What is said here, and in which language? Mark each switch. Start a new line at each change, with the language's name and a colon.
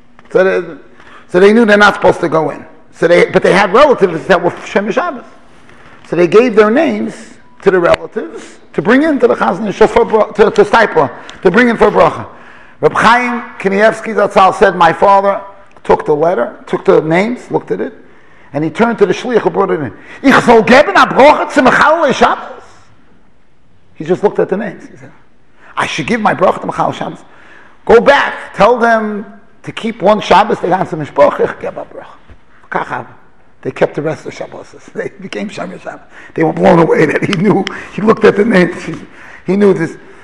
English: So they knew they're not supposed to go in. But they had relatives that were Shemesh Shabbos. So they gave their names to the relatives to bring in to the Chazon Ish to stipla, to bring in for bracha. Reb Chaim Kanievsky Zatzal said, my father took the letter, took the names, looked at it, and he turned to the shliach who brought it in.
Yiddish: Ich soll geben a bracha zu Mechal Shabbos.
English: He just looked at the names. He said, I should give my bracha to Mechal Shabbos. Go back, tell them to keep one Shabbos, they got some mishpoch,
Yiddish: ich geb a bracha.
English: They kept the rest of Shabbos. They became Shemesh Shabbos. They were blown away that he knew. He looked at the names. He knew this.